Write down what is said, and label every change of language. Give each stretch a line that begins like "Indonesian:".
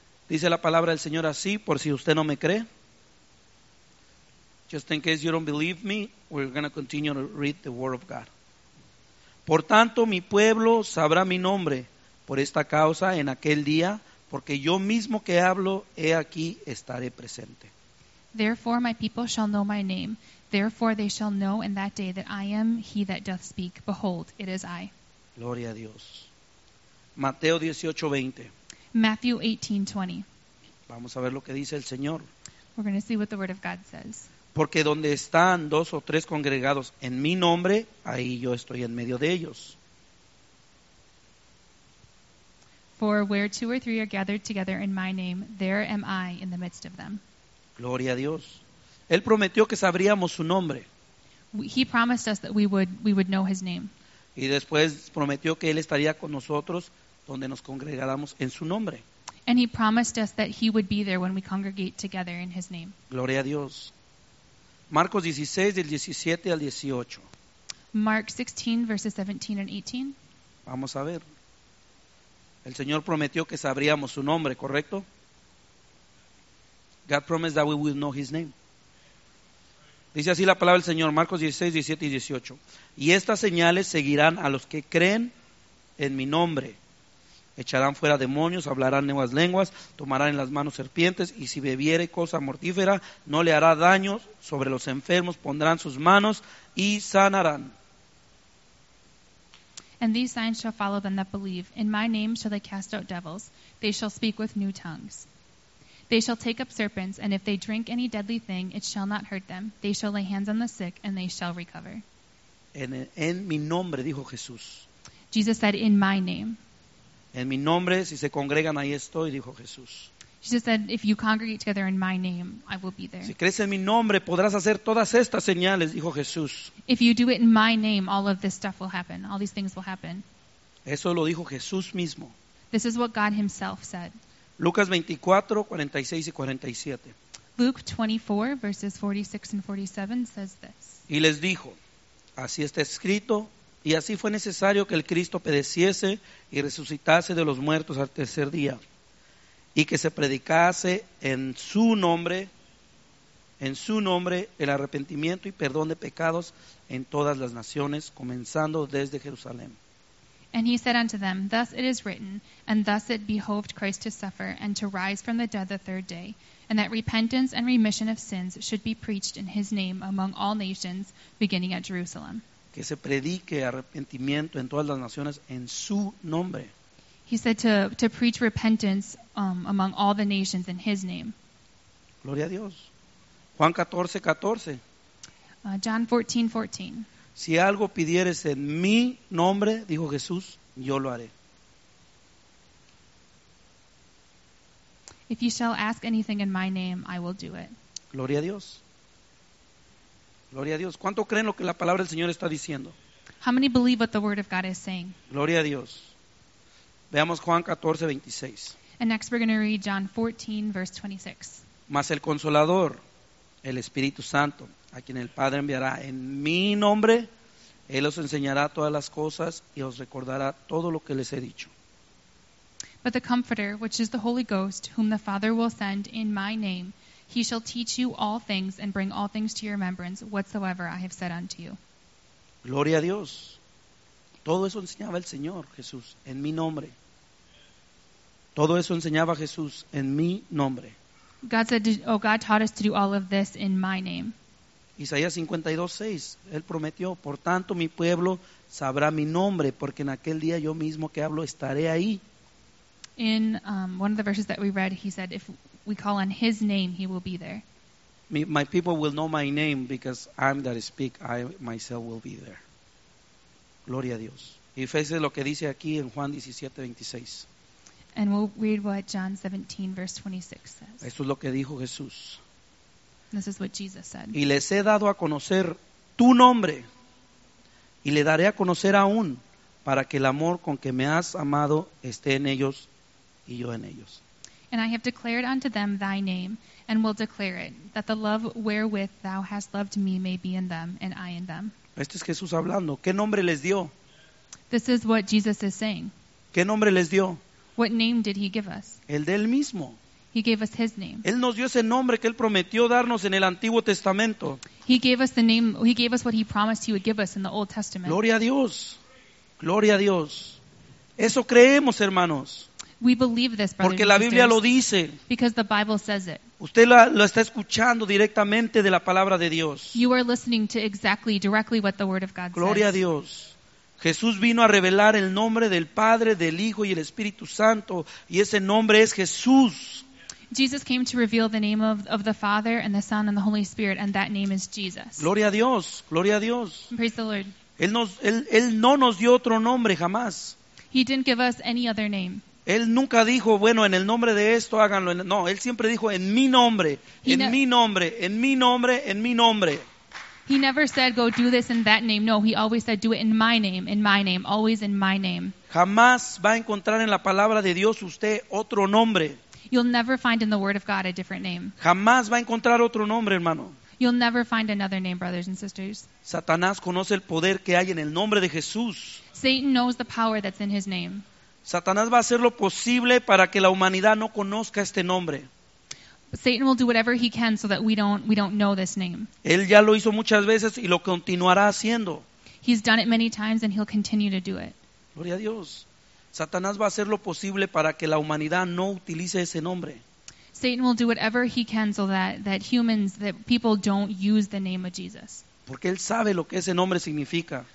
Spanish: Dice la palabra del Señor así, por si usted no me cree.
English: Just in case you don't believe me, we're going to continue to read the word of God.
Spanish: Por tanto, mi pueblo sabrá mi nombre por esta causa en aquel día, porque yo mismo que hablo, he aquí estaré presente.
English: Therefore, my people shall know my name. Therefore, they shall know in that day that I am he that doth speak. Behold, it is I.
Spanish: Gloria a Dios. Mateo 18:20.
English: Matthew 18:20.
Spanish: Vamos a ver lo que dice el Señor.
English: We're going to see what the word of God says.
Spanish: Porque donde están dos o tres congregados en mi nombre, ahí yo estoy en medio de ellos.
English: For where two or three are gathered together in my name, there am I in the midst of them.
Spanish: Gloria a Dios. Él prometió que sabríamos su nombre.
English: He promised us that we would know his name.
Spanish: Y después prometió que él estaría con nosotros donde nos congregáramos en su nombre.
English: And he promised us that he would be there when we congregate together in his name.
Spanish: Gloria a Dios. Marcos 16, del 17 al 18.
English: Mark 16, verses 17 and 18.
Spanish: Vamos a ver. El Señor prometió que sabríamos su nombre, ¿correcto?
English: God promised that we would know his name.
Spanish: Dice así la palabra del Señor, Marcos 16, 17 y 18. Y estas señales seguirán a los que creen en mi nombre. Echarán fuera demonios, hablarán nuevas lenguas, tomarán en las manos serpientes, y si bebiere cosa mortífera, no le hará daño. Sobre los enfermos pondrán sus manos y sanarán.
English: And these signs shall follow them that believe. In my name shall they cast out devils. They shall speak with new tongues. They shall take up serpents, and if they drink any deadly thing, it shall not hurt them. They shall lay hands on the sick, and they shall recover.
Spanish: En mi nombre, dijo Jesús.
English: Jesus said, in my name.
Spanish: En mi nombre, si se congregan, ahí estoy, dijo Jesús.
English: Jesus said, if you congregate together in my name, I will be there.
Spanish: Si crees en mi nombre, podrás hacer todas estas señales, dijo Jesús.
English: If you do it in my name, all of this stuff will happen. All these things will happen.
Spanish: Eso lo dijo Jesús mismo.
English: This is what God himself said.
Spanish: Lucas 24, 46 y 47.
English: Luke 24, verses 46 and 47 says this.
Spanish: Y les dijo, así está escrito Y así fue necesario que el Cristo padeciese y resucitase de los muertos al tercer día, y que se predicase en su nombre el arrepentimiento y perdón de pecados en todas las naciones, comenzando desde Jerusalén.
English: And he said unto them, Thus it is written, and thus it behoved Christ to suffer, and to rise from the dead the third day, and that repentance and remission of sins should be preached in his name among all nations, beginning at Jerusalem.
Spanish: Que se predique arrepentimiento en todas las naciones en su nombre.
English: He said to preach repentance among all the nations in his name.
Spanish: Gloria a Dios. Juan 14:14.
English: John 14:14.
Spanish: Si algo pidieres en mi nombre, dijo Jesús, yo lo haré.
English: If you shall ask anything in my name, I will do it.
Spanish: Gloria a Dios. Gloria a Dios. ¿Cuánto creen lo que la palabra del Señor está diciendo?
English: How many believe what the word of God is saying?
Spanish: Gloria a Dios. Veamos Juan 14:26.
English: And next we're going to read John 14:26.
Spanish: Mas el Consolador, el Espíritu Santo, a quien el Padre enviará en mi nombre, Él os enseñará todas las cosas y os recordará todo lo que les he dicho.
English: But the Comforter, which is the Holy Ghost, whom the Father will send in my name, He shall teach you all things and bring all things to your remembrance whatsoever I have said unto you.
Spanish: Gloria a Dios. Todo eso enseñaba el Señor Jesús en mi nombre. Todo eso enseñaba Jesús en mi nombre.
English: God said, oh, God taught us to do all of this in my name.
Spanish: Isaías 52:6, Él prometió, por tanto mi pueblo sabrá mi nombre, porque en aquel día yo mismo que hablo estaré ahí.
English: In one of the verses that we read, he said, if we call on his name, he will be there. My people will know my name because I'm that speak, I myself will be there.
Spanish: Gloria a Dios. Y fíjese lo que dice aquí en Juan 17:26.
English: And we'll read what John 17:26 says.
Spanish: Esto es lo que dijo Jesús.
English: This is what Jesus said.
Spanish: Y les he dado a conocer tu nombre, y le daré a conocer aún, para que el amor con que me has amado esté en ellos y yo en ellos.
English: And I have declared unto them thy name, and will declare it, that the love wherewith thou hast loved me may be in them, and I in them.
Spanish: Este es Jesús hablando. ¿Qué nombre les dio?
English: This is what Jesus is saying.
Spanish: ¿Qué nombre les dio?
English: What name did he give us?
Spanish: El de él mismo.
English: He gave us his name.
Spanish: Él nos dio ese nombre que él prometió darnos en el Antiguo Testamento.
English: He gave us the name, he gave us what he promised he would give us in the Old Testament.
Spanish: Gloria a Dios. Gloria a Dios. Eso creemos, hermanos.
English: We believe this, brothers.
Spanish: Porque la Biblia lo dice.
English: Because the Bible says it.
Spanish: Usted lo está escuchando directamente de la palabra de Dios.
English: You are listening to exactly, directly what the word of God says.
Spanish: Gloria a Dios. Jesús vino a revelar el nombre del Padre, del Hijo y el Espíritu Santo, y ese nombre es Jesús.
English: Jesus came to reveal the name of the Father and the Son and the Holy Spirit, and that name is Jesus.
Spanish: Gloria a Dios, gloria a Dios.
English: Praise the Lord.
Spanish: Él no nos dio otro nombre jamás.
English: He didn't give us any other name.
Spanish: Él nunca dijo, bueno, en el nombre de esto háganlo. No, él siempre dijo en mi nombre, en mi nombre.
English: He never said, go do this in that name. No, he always said, do it in my name, always in my name.
Spanish: Jamás va a encontrar en la palabra de Dios usted otro nombre.
English: You'll never find in the word of God a different name.
Spanish: Jamás va a encontrar otro nombre, hermano.
English: You'll never find another name, brothers and sisters.
Spanish: Satanás conoce el poder que hay en el nombre de Jesús.
English: Satan knows the power that's in his name.
Spanish: Satanás va a hacer lo posible para que la humanidad no conozca este nombre.
English: Satan will do whatever he can so that we don't know this name.
Spanish: Él ya lo hizo muchas veces y lo continuará haciendo.
English: He's done it many times and he'll continue to do it.
Spanish: Gloria a Dios. Satanás va a hacer lo posible para que la humanidad no utilice ese nombre.
English: Satan will do whatever he can so that people don't use the name of Jesus.
Spanish: Porque él sabe lo que ese nombre significa.